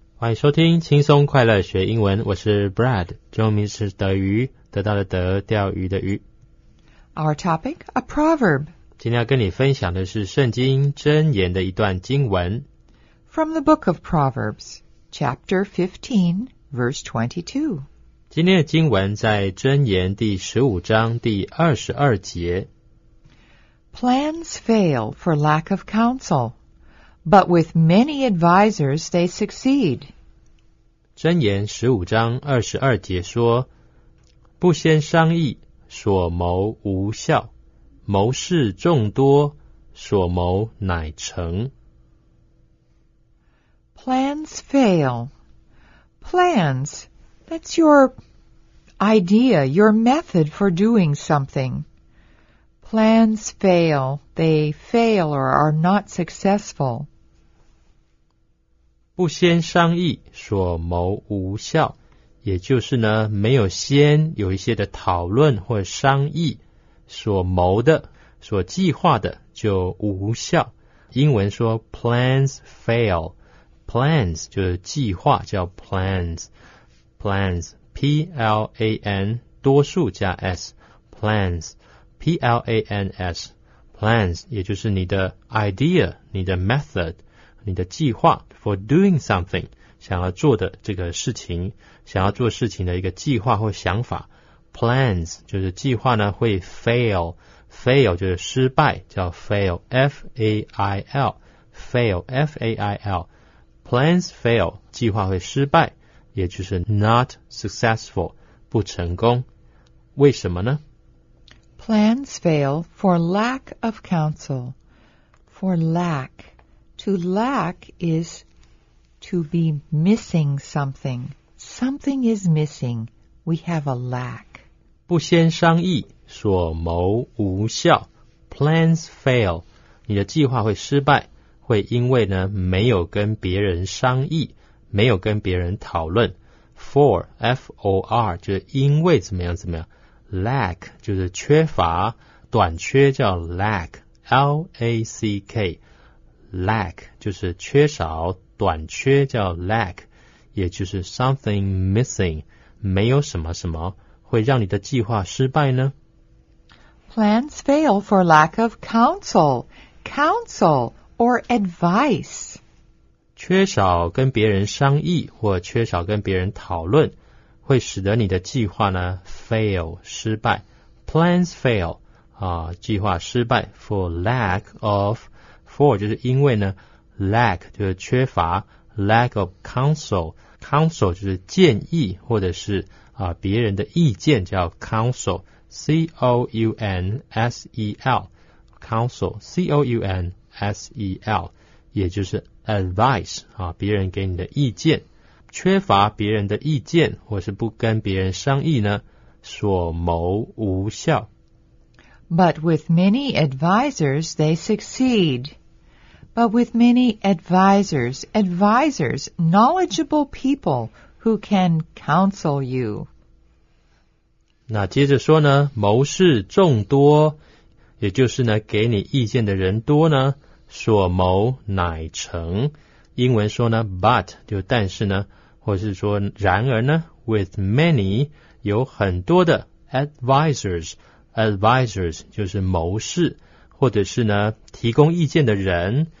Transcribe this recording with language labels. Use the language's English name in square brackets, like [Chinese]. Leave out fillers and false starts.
[Chinese] 欢迎收听轻松快乐学英文。我是 Brad. 中文名是德鱼，得到的德，钓鱼的鱼。 [English] Our topic, a proverb. [Chinese] 今天要跟你分享的是圣经箴言的一段经文。 [English] From the book of Proverbs, chapter 15, verse 22. [Chinese] 今天的经文在箴言第15章第22节。 [English] Plans fail for lack of counsel. But with many advisers, they succeed. [Chinese] 箴言十五章二十二节说，不先商议，所谋无效；谋事众多，所谋乃成。 [English] Plans fail. Plans, that's your idea, your method for doing something. Plans fail. They fail or are not successful. [Chinese] 不先商议，所谋无效，也就是呢，没有先有一些的讨论或商议，所谋的、所计划的就无效。英文说 [English] plans fail， [Chinese] plans 就是计划，叫 plans， plans p l a n 多数加 s， plans p l a n s， plans 也就是你的 idea， 你的 method。你的计划 [English] for doing something [Chinese] 想要做的这个事情，想要做事情的一个计划或想法， plans 就是计划呢会 fail， fail 就是失败，叫 fail， F-A-I-L， fail， F-A-I-L， [English] plans fail [Chinese] 计划会失败，也就是 [English] not successful [Chinese] 不成功。为什么呢？ [English] plans fail for lack of counsel， for lackTo lack is to be missing something. Something is missing. We have a lack. [Chinese] 不先商议，所谋无效。 [English] Plans fail. [Chinese] 你的计划会失败，会因为呢没有跟别人商议，没有跟别人讨论。 For, F-O-R, 就是因为怎么样怎么样。 Lack, 就是缺乏，短缺叫 lack, L-A-C-K. Lack 就是缺少，短缺叫 lack， 也就是 [English] something missing， [Chinese] 没有什么什么会让你的计划失败呢？ [English] Plans fail for lack of counsel, counsel or advice. [Chinese] 缺少跟别人商议或缺少跟别人讨论，会使得你的计划呢 fail 失败。 [English] Plans fail [Chinese] 啊，计划失败 [English] for lack of。 [Chinese] For 就是因为呢 ，lack 就是缺乏 ， [English] lack of counsel， [Chinese] counsel 就是建议或者是啊别人的意见叫 counsel，c o u n s e l，counsel，c o u n s e l， 也就是 advice 啊别人给你的意见，缺乏别人的意见或是不跟别人商议呢，所谋无效。 [English] But with many advisors, they succeed. But with many advisors, advisors, knowledgeable people who can counsel you. [Chinese] 那接着说呢，谋士众多，也就是呢，给你意见的人多呢，所谋乃成。英文说呢 ，but 就但是呢，或是说然而呢 ，with many 有很多的 advisors, advisors 就是谋士，或者是呢，提供意见的人。